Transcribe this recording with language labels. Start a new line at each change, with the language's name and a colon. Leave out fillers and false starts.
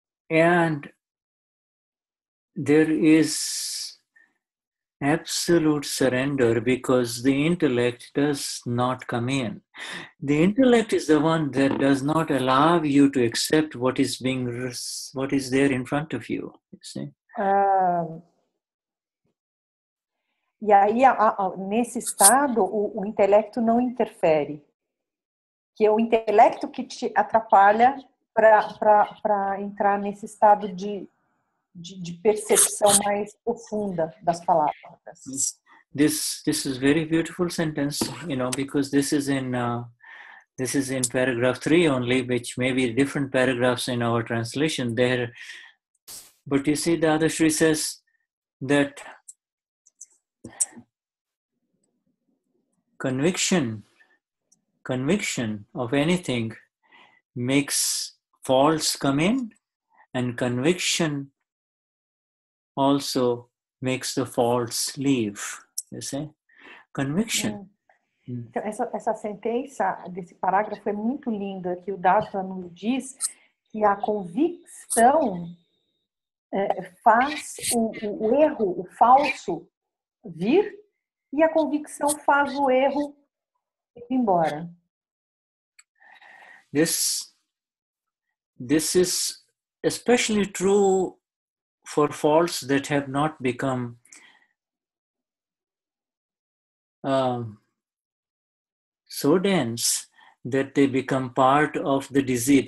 English: And there is absolute surrender because the intellect does not come in. The intellect is the one that does not allow you to accept what is being what is there in front of you. You see?
Portuguese: E aí, nesse estado, o intelecto não interfere. Que é o intelecto que te atrapalha para entrar nesse estado de percepção mais profunda das palavras.
English: This is very beautiful sentence, you know, because this is in paragraph 3 only, which may be different paragraphs in our translation there. But you see, the other Shri says that conviction of anything makes false come in, and conviction also makes the false leave. You see? Conviction.
Portuguese: Então, essa sentença, desse parágrafo, é muito linda, que o Dasa nos diz que a convicção faz o erro, o falso, vir, e a convicção faz o erro ir embora.
English: This is especially true for faults that have not become so dense that they become part of the disease.